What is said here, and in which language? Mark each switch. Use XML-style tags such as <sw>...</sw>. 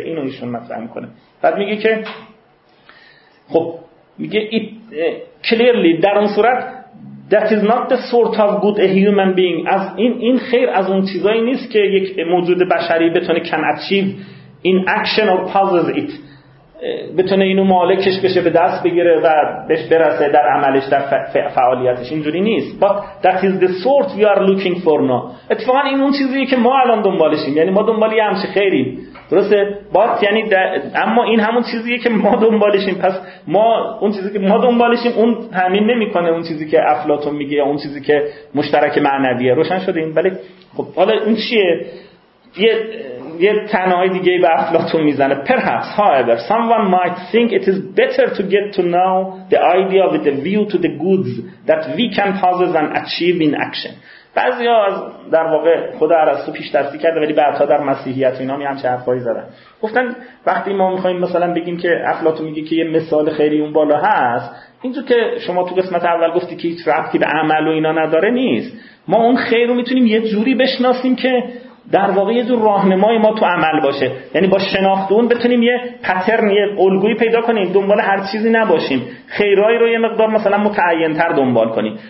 <fa>اینو ایشون مطرح میکنه. بعد میگه که خب میگه clearly در اون صورت</fa> <en>that is not the sort of good a human being،</en> <fa>از این خیر از اون چیزایی نیست که یک موجود بشری بتونه</fa> <en>can achieve in action or possess it،</en> <fa>بتونه اینو مالکش بشه، به دست بگیره و بهش برسه در عملش، در فعالیتش. اینجوری نیست.</fa> <en>But that is the sort we are looking for now.</en> <fa>اتفاقا این اون چیزیه که ما الان دنبالشیم، یعنی ما دنبال یه همچه خیریم، درسته؟ But یعنی اما این همون چیزیه که ما دنبالشیم. پس ما اون چیزی که ما دنبالشیم اون تأمین نمی کنه اون چیزی که افلاطون میگه، اون چیزی که مشترک معنویه. روشن شده این؟ بله. خب حالا این چیه؟ یه تنهایی دیگه به افلاطون میزنه.</fa> <en>Perhaps, however, someone might think it is better to get to know the idea with a view to the goods that we can possess and achieve in action.</en> <fa>بعضی ها در واقع خود ارسطو پیش دستی کرده ولی بعدها در مسیحیت اینا میان چه حرفایی زدن. گفتن وقتی ما میخواییم مثلا بگیم که افلاطون میگه که یه مثال خیلی اون بالا هست، اینجور که شما تو قسمت اول گفتی که هیچ ربطی به عمل و اینا نداره نیست. ما اون خیر رو میتونیم یه جوری بشناسیم که در واقع یه جور راهنمای ما تو عمل باشه، یعنی با شناخت اون بتونیم یه پترن، یه الگویی پیدا کنیم، دنبال هر چیزی نباشیم، خیرهایی رو یه مقدار مثلا متعین‌تر دنبال کنیم.</fa>